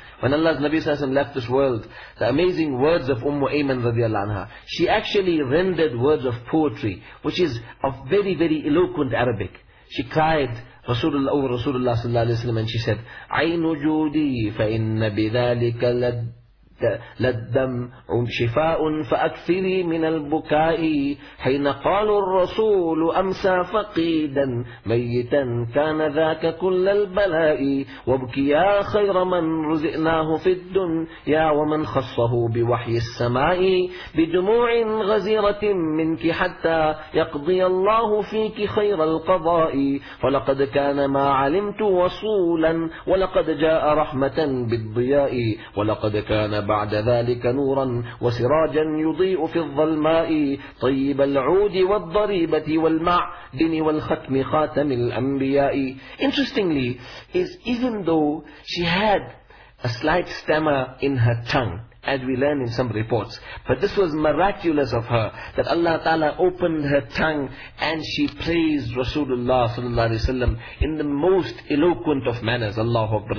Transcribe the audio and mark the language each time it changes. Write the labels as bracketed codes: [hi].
[en] When Allah's Nabi sallallahu alayhi wa sallam left this world, the amazing words of Ummu Ayman radiallahu anha, she actually rendered words of poetry, which is of very, very eloquent Arabic. She cried Rasulullah over Rasulullah sallallahu alayhi wa sallam, and she said, [ar] عَيْنُ جُودِي فَإِنَّ بِذَلِكَ للدمع شفاء فأكثري من البكاء حين قال الرسول أمسى فقيدا ميتا كان ذاك كل البلاء وابكيا خير من رزقناه في الدنيا ومن خصه بوحي السماء بدموع غزيرة منك حتى يقضي الله فيك خير القضاء فلقد كان ما علمت وصولا ولقد جاء رحمة بالضياء ولقد كان بعد ذلك نورا وسراجا يضيء في الظلماء طيب العود والضريبة والمعدن والختم خاتم الأنبياء. [en] Interestingly is even though she had a slight stammer in her tongue, as we learn in some reports, but this was miraculous of her that Allah Ta'ala opened her tongue and she praised Rasulullah sallallahu alaihi wasallam in the most eloquent of manners. Allahu Akbar.